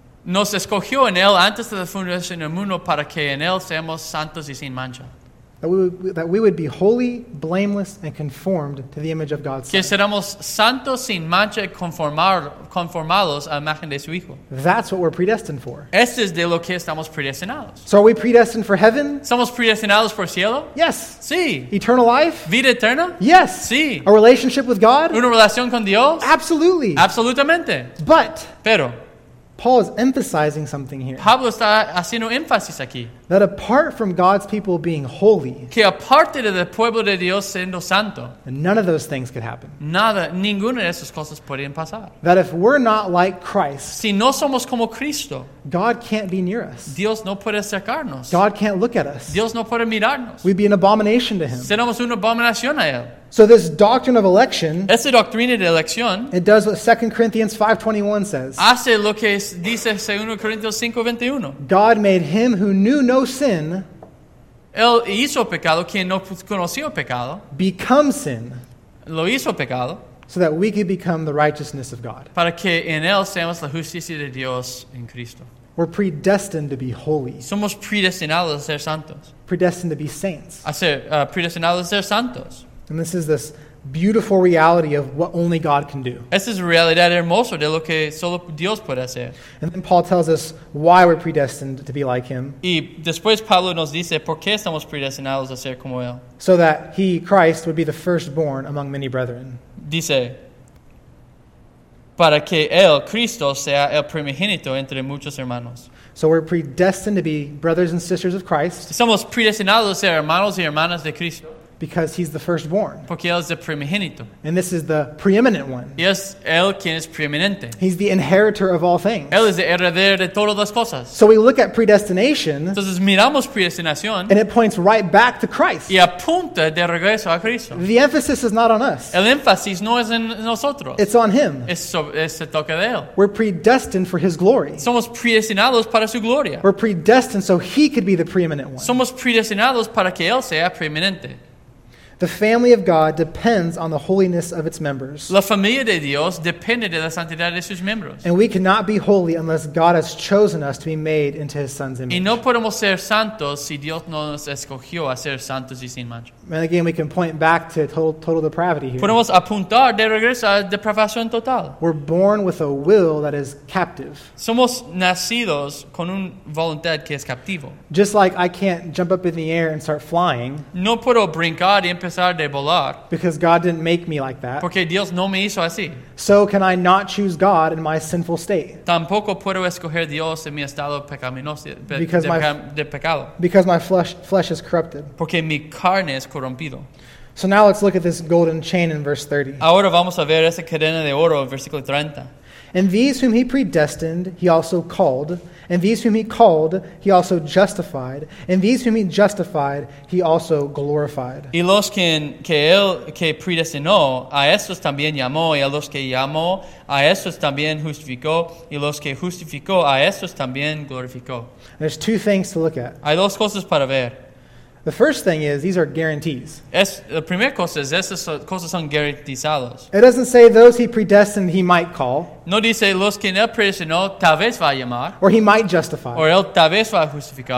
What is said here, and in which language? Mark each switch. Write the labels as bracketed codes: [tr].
[es] nos escogió en él antes de la fundación del mundo para que en él seamos santos y sin mancha. [en] That we would be holy, blameless, and conformed to the image of God's [es] que [en] Son. [es] Que seramos santos sin mancha y conformados a la imagen de su Hijo. [en] That's what we're predestined for. [es] Este es de lo que estamos predestinados. [en] So are we predestined for heaven? [es] ¿Somos predestinados por cielo? [en] Yes. [es] Sí. [en] Eternal life? [es] Vida eterna? [en] Yes. [es] Sí. [en] A relationship with God? [es] Una relación con Dios? [en] Absolutely. [es] Absolutamente. [en] But. [es] Pero. [en] Paul is emphasizing something here. [es] Pablo está haciendo énfasis aquí. [en] That apart from God's people being holy, [es] que aparte de el pueblo de Dios siendo santo, [en] none of those things could happen. [es] Nada, ninguna de esas cosas podrían pasar. [en] That if we're not like Christ, [es] si no somos como Cristo, [en] God can't be near us. [es] Dios no puede acercarnos. [en] God can't look at us. [es] Dios no puede mirarnos. [en] We'd be an abomination to Him. [es] Seríamos una abominación a Él. [en] So this doctrine of election, [es] esa doctrina de elección, [en] it does what 2 Corinthians 5:21 says. [es] Hace lo que dice 2 Corintios 5:21. [en] God made him who knew no sin, [es] él hizo pecado quien no conoció pecado, [en] become sin, [es] lo hizo pecado, [en] so that we could become the righteousness of God. [es] Para que en él seamos la justicia de Dios en Cristo. [en] We're predestined to be holy. [es] Somos predestinados a ser santos. [en] Predestined to be saints. [es] Predestinados a ser santos. [en] And this is this beautiful reality of what only God can do. [es] Esta es realidad hermosa de lo que solo Dios puede hacer. [en] And then Paul tells us why we're predestined to be like Him. [es] Y después Pablo nos dice por qué estamos predestinados a ser como Él. [en] So that He, Christ, would be the firstborn among many brethren. [es] Dice, para que Él, Cristo, sea el primogénito entre muchos hermanos. [en] So we're predestined to be brothers and sisters of Christ. [es] Somos predestinados a ser hermanos y hermanas de Cristo. [en] Because he's the firstborn. [es] Porque él es el primogénito. [en] And this is the preeminent one. [es] Y es él quien es preeminente. [en] He's the inheritor of all things. [es] Él es el heredero de todas las cosas. [en] So we look at predestination. [es] Entonces miramos predestinación. [en] And it points right back to Christ. [es] Y apunta de regreso a Cristo. [en] The emphasis is not on us. [es] El énfasis no es en nosotros. [en] It's on him. [es] Es se toca de él. [en] We're predestined for his glory. [es] Somos predestinados para su gloria. [en] We're predestined so he could be the preeminent one. [es] Somos predestinados para que él sea preeminente. [en] The family of God depends on the holiness of its members. [es] La familia de Dios depende de la santidad de sus miembros. [en] And we cannot be holy unless God has chosen us to be made into His Son's image. [es] Y no podemos ser santos si Dios no nos escogió a ser santos y sin mancha. [en] And again, we can point back to total depravity here. [es] Podemos apuntar de regreso a depravación total. [en] We're born with a will that is captive. [es] Somos nacidos con una voluntad que es captivo. [en] Just like I can't jump up in the air and start flying. [es] No puedo brincar y empezar de volar. [en] Because God didn't make me like that. [es] Porque Dios no me hizo así. [en] So can I not choose God in my sinful state? [es] Tampoco puedo escoger Dios en mi estado pecaminoso, de pecado. [en] Because my flesh is corrupted. [es] Porque mi carne es corrompido. [en] So now let's look at this golden chain in verse 30. [es] Ahora vamos a ver esa cadena de oro en versículo 30. [en] And these whom he predestined, he also called. And these whom he called, he also justified. And these whom he justified, he also glorified. [es] Y los que él que predestinó, a estos también llamó. Y a los que llamó, a estos también justificó. Y los que justificó, a estos también glorificó. [en] There's two things to look at. [es] Hay dos cosas para ver. [en] The first thing is, these are guarantees. [es] La primera cosa es, estas cosas son garantizadas. [en] It doesn't say those he predestined he might call. [es] No dice los que él predestinó tal vez va a llamar. [en] Or he might justify. [es] Or él tal vez va a justificar.